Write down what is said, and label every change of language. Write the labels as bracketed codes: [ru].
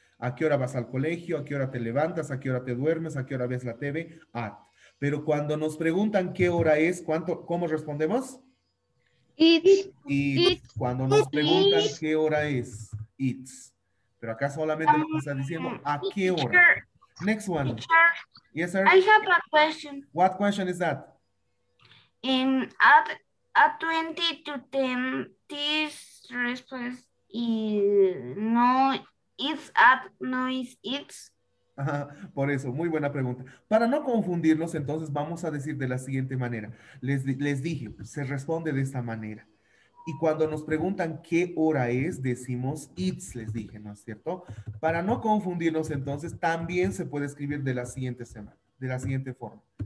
[es] ¿A qué hora vas al colegio? ¿A qué hora te levantas? ¿A qué hora te duermes? ¿A qué hora ves la TV? At. Pero cuando nos preguntan qué hora es, ¿cuánto, cómo respondemos? [en] It's. [es] Cuando nos preguntan qué hora es, it's. Pero acá solamente lo que está diciendo, ¿a qué hora? [en] Next one. Yes, sir. I have a question. What question is that? In at 20 to 10, this response is no, it's at, no, it's. [es] Por eso, muy buena pregunta. Para no confundirlos, entonces vamos a decir de la siguiente manera. Les dije, se responde de esta manera. Y cuando nos preguntan qué hora es, decimos it's, les dije, ¿no es cierto? Para no confundirnos, entonces también se puede escribir de la siguiente semana, de la siguiente forma.